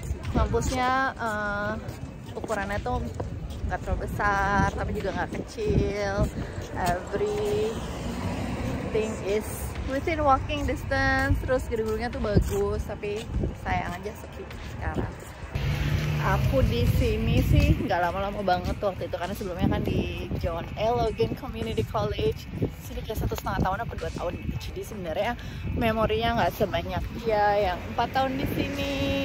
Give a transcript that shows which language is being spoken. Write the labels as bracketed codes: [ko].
[id] Kampusnya ukurannya tuh gak terlalu besar, tapi juga gak kecil. [en] Everything is within walking distance. [id] Terus gedung-gedungnya tuh bagus, tapi sayang aja sepi sekarang. Aku di sini sih gak lama-lama banget waktu itu, karena sebelumnya kan di John A. Logan Community College. Sini kayak 1.5 tahun atau 2 tahun gitu. Jadi sebenarnya memorinya gak sebanyak dia yang 4 tahun di sini.